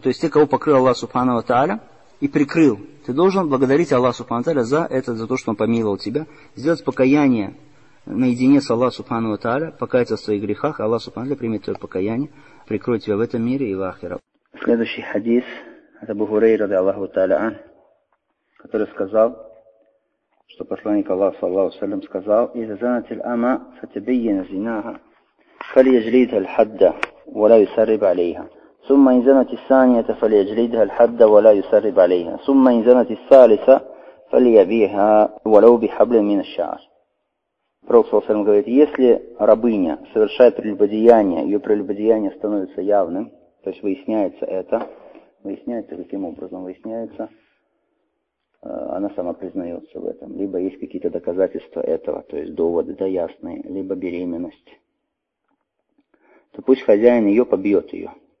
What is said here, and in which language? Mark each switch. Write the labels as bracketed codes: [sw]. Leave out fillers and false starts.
[ru] То есть те, кого покрыл Аллах субхану ва тааля и прикрыл, ты должен благодарить Аллаха субхану ва тааля за это, за то, что он помиловал тебя, сделать покаяние наедине с Аллахом субхану ва тааля, покаяться в своих грехах, Аллах субхану ва тааля примет твое покаяние, прикроет тебя в этом мире и в ахира. Следующий хадис от Абу Хурейры ради Аллаху тааля, который сказал, что посланник Аллаха саллаллаху алейхи ва саллям сказал: [ar] «Иза занат аль-ама фатабайяна зинаха». فليجلد الحد ولا يسرب عليها ثم إن زنت الثانية فليجلد الحد ولا يسرب عليها ثم إن زنت الثالثة فليبيها ولو بحبل من الشعر. [ru] Пророк саллаллаху алейхи ва саллям говорит, если рабыня совершает прелюбодеяние, ее прелюбодеяние становится явным, то есть выясняется это, выясняется каким образом, выясняется, она сама признается в этом, либо есть какие-то доказательства этого, то есть доводы, да, ясные, либо беременность, то пусть хозяин ее побьет ее.